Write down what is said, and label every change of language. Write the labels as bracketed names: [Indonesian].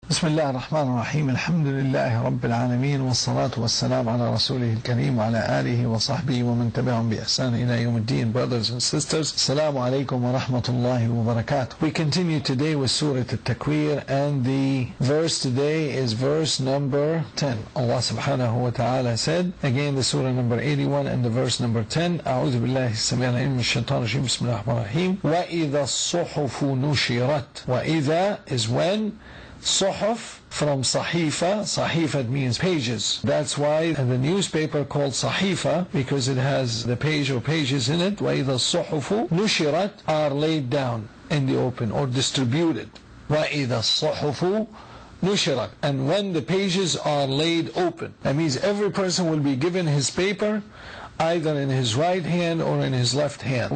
[Arabic] بسم الله الرحمن الرحيم، الحمد لله رب العالمين، والصلاة والسلام على رسوله الكريم وعلى آله وصحبه ومن تبعهم بإحسان إلى يوم الدين. [English] Brothers and sisters, [Arabic] السلام عليكم ورحمة الله وبركاته. [English] We continue today with سورة التكوير, and the verse today is verse number 10. Allah سبحانه وتعالى said, again the surah number 81 and the verse number 10, [Arabic] أعوذ بالله السميع العليم من الشيطان الرجيم, بسم الله الرحمن الرحيم. وإذا الصحف نشرت, وإذا [English] is when, [Arabic] صحف from صحيفة, صحيفة [English] means pages. That's why the newspaper called صحيفة, because it has the page or pages in it. [Arabic] وَإِذَا الصُّحُفُ نُشِرَتْ, [English] are laid down in the open or distributed. [Arabic] وَإِذَا الصُّحُفُ نُشِرَتْ, [English] and when the pages are laid open. That means every person will be given his paper, either in his right hand or in his left hand.